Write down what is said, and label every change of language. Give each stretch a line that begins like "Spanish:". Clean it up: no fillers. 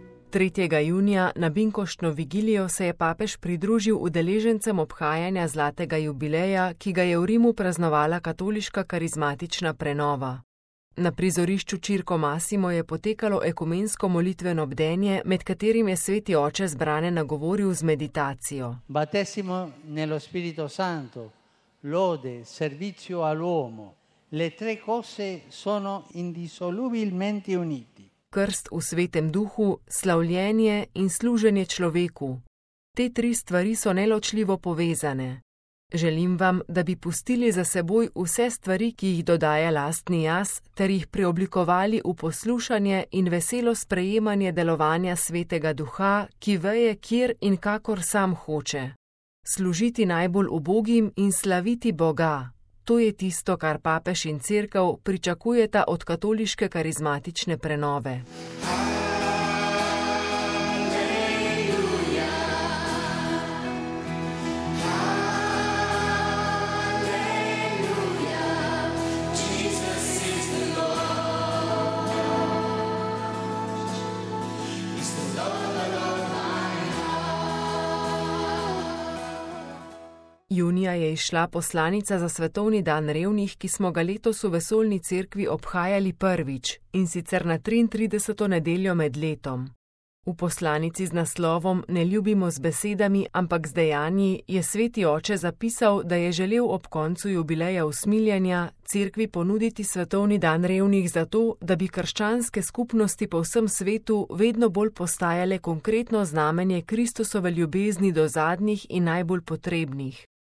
Slovenian: Tretjega junija na binkoštno vigilijo se je papež pridružil udeležencem obhajanja zlatega jubileja, ki ga je v Rimu praznovala katoliška karizmatična prenova. Na prizorišču Čirko Masimo je potekalo ekumensko molitveno bdenje, med katerim je sveti oče zbrane nagovoril z meditacijo.
Italian: Battesimo nello Spirito Santo, lode, servizio all'uomo, le tre cose sono indissolubilmente unite.
Slovenian: Krst v svetem duhu, slavljenje in služenje človeku. Te tri stvari so neločljivo povezane. Želim vam, da bi pustili za seboj vse stvari, ki jih dodaja lastni jaz, ter jih preoblikovali v poslušanje in veselo sprejemanje delovanja svetega duha, ki veje, kjer in kakor sam hoče. Služiti najbolj ubogim in slaviti Boga. To je tisto, kar papež in cerkev pričakujeta od katoliške karizmatične prenove.
English: Alleluja, alleluja, Jesus is the Lord, is the Lord, the Lord my heart.
Slovenian: Junija je izšla poslanica za svetovni dan revnih, ki smo ga letos v vesoljni cerkvi obhajali prvič, in sicer na 33. nedeljo med letom. V poslanici z naslovom Ne ljubimo z besedami, ampak z dejanji je sveti oče zapisal, da je želel ob koncu jubileja usmiljenja cerkvi ponuditi svetovni dan revnih zato, da bi krščanske skupnosti po vsem svetu vedno bolj postajale konkretno znamenje Kristusove ljubezni do zadnjih in najbolj potrebnih.